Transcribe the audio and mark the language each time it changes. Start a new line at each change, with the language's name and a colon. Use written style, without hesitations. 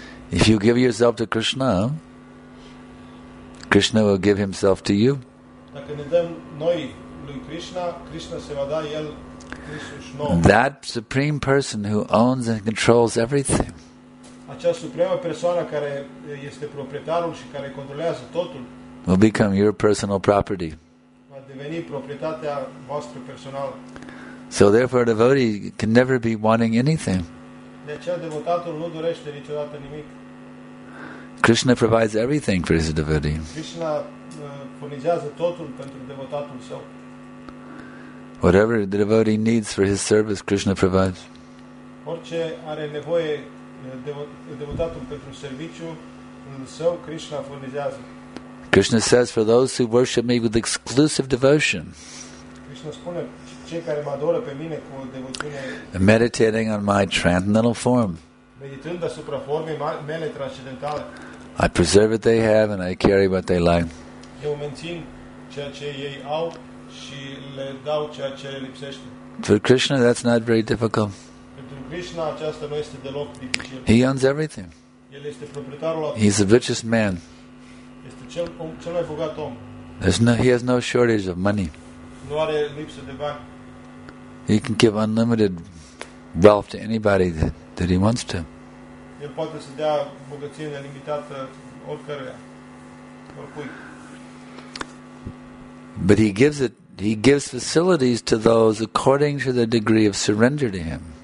English: If you give yourself to Krishna, Krishna will give himself to you.
Romanian: Dacă ne dăm noi lui Krishna, Krishna se va da el însuși nouă.
English: That supreme person who owns and controls everything.
Romanian: Acea supremă persoană care este proprietarul și care controlează totul.
English: Will become your personal property.
Romanian: Va deveni proprietatea voastră personală.
English: So therefore a devotee can never be wanting anything.
Romanian: De aceea devotatul nu dorește niciodată nimic.
English: Krishna provides everything for his devotee.
Romanian: Krishna furnizează totul pentru devotatul său.
English: Whatever the devotee needs for his service, Krishna provides.
Romanian: Orice are nevoie devotatul pentru serviciu său, Krishna furnizează.
English: Krishna says, for those who worship me with exclusive devotion,
Romanian: Krishna spune, cei care mă adoră pe mine cu devoțiune,
English: meditating on my transcendental form,
Romanian: meditând asupra formei mele transcendentale,
English: I preserve what they have and I carry what they like.
Romanian: Eu mențin ceea ce ei au și le dau ceea ce lipsește.
English: For Krishna, that's not very difficult.
Romanian: Pentru Krishna, aceasta nu este deloc dificil.
English: He owns everything.
Romanian: El este proprietarul absolut.
English: He's the richest man.
Romanian: Este cel mai bogat om.
English: He has no shortage of money.
Romanian: Nu are lipsă de bani.
English: He can give unlimited wealth to anybody that he wants to.
Romanian: El poate să dea bogăție nelimitată oricărui, oricui.
English: But he gives facilities to those according to the degree of surrender to him.